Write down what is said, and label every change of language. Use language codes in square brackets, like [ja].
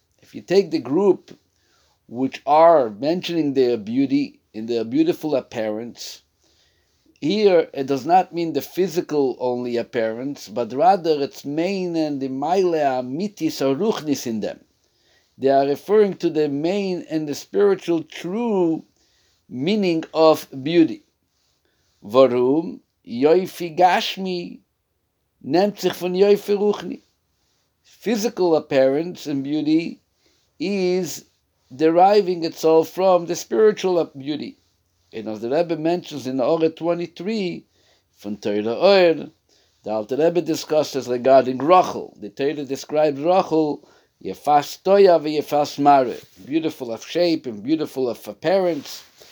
[en] If you take the group which are mentioning their beauty in their beautiful appearance, here it does not mean the physical only appearance, but rather its main and the mailea mitis or ruchnis in them. They are referring to the main and the spiritual true meaning of beauty. [yi] Varum yoifi gashmi nemt sich von yoifi ruchni. [en] Physical appearance and beauty is deriving itself from the spiritual beauty. And as the Rebbe mentions in Ore 23, from Teira Oer, the Alter Rebbe discusses regarding Rachel. The Teira describes Rachel, [he] Yefas Toya veYefas Mare, [en] beautiful of shape and beautiful of appearance.